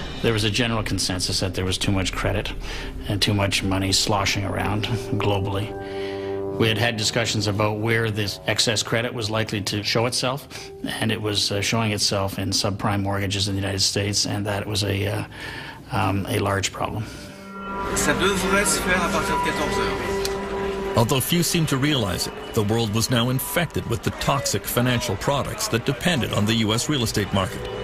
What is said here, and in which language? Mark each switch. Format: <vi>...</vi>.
<en>There was a general consensus that there was too much credit and too much money sloshing around globally. We had had discussions about where this excess credit was likely to show itself, and it was showing itself in subprime mortgages in the United States, and that was a large problem.</en> <fr>Ça devrait se faire à partir de 14 heures.</fr> <en>Although few seemed to realize it, the world was now infected with the toxic financial products that depended on the U.S. real estate market.</en>